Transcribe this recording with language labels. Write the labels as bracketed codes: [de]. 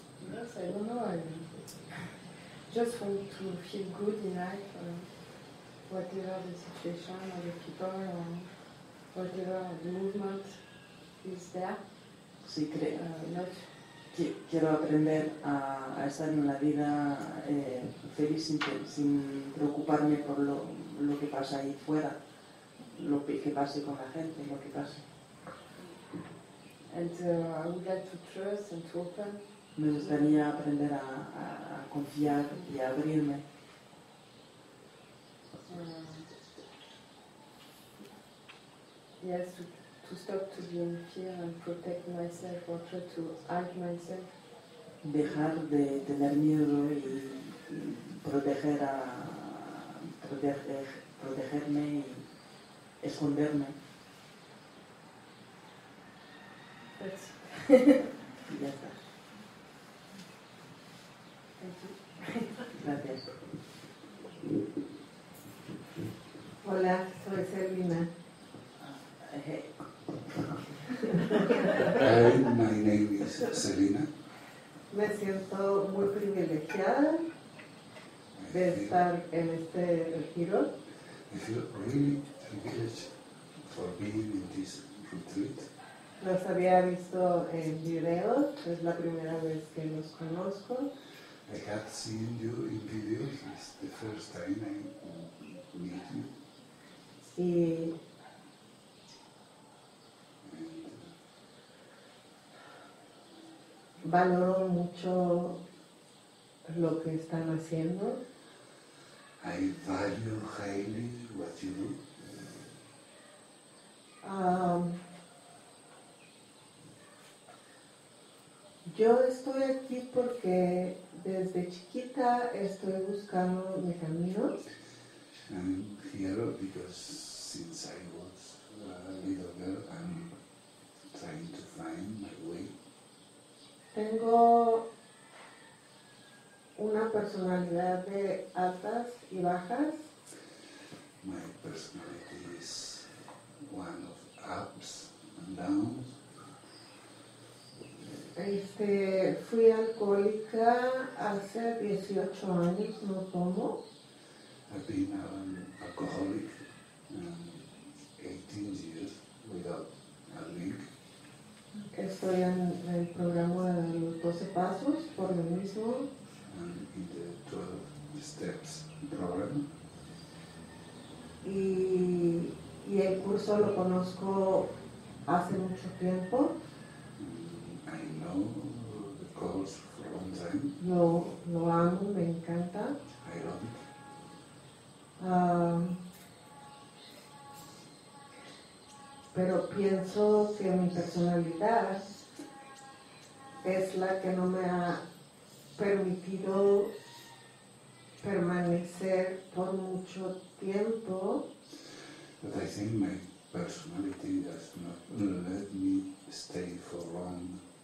[en] I don't know, I just want to feel good in life, whatever the situation or the people or whatever the movement is there. [es] Sí, creo. [en] Not... [es] Quiero aprender a estar en una vida feliz sin preocuparme por lo que pasa ahí fuera, lo que pase con la gente, lo que pase. [en] And I would like to trust and to open. [es] Me gustaría aprender a confiar y a abrirme. [en] Yes, to stop to be in fear and protect myself or try to hide myself. [es] Dejar de tener miedo y proteger a protegerme y esconderme. [en] That's [es] ya está. Hola, soy Selina. [en] Hey, my name is Selina. [es] Me siento muy privilegiada de estar en este retiro. [en] I feel really privileged for being in this retreat. [es] Los había visto en videos, es la primera vez que los conozco. [en] I have seen you in videos, it's the first time I meet you. [es] Sí. Valoro mucho lo que están haciendo. [en] I value highly what you do. Um, [es] Yo estoy aquí porque desde chiquita estoy buscando mi camino. [en] I'm here because since I was a little girl, I'm trying to find my way. [es] Tengo una personalidad de altas y bajas. [en] My personality is one of ups and downs. [es] Fui alcohólica hace 18 años, no tomo. [en] I've been an alcoholic 18 years without a drink. [es] Estoy en el programa de los 12 pasos por lo mismo. [en] And in the 12 steps program. [es] Y el curso lo conozco hace mucho tiempo. [en] I know the course for a long time. [es] Lo amo, me encanta. [en] I love it. [es] Pero pienso que mi personalidad es la que no me ha permitido permanecer por mucho tiempo. [en] But I think my personality does not let me stay for long.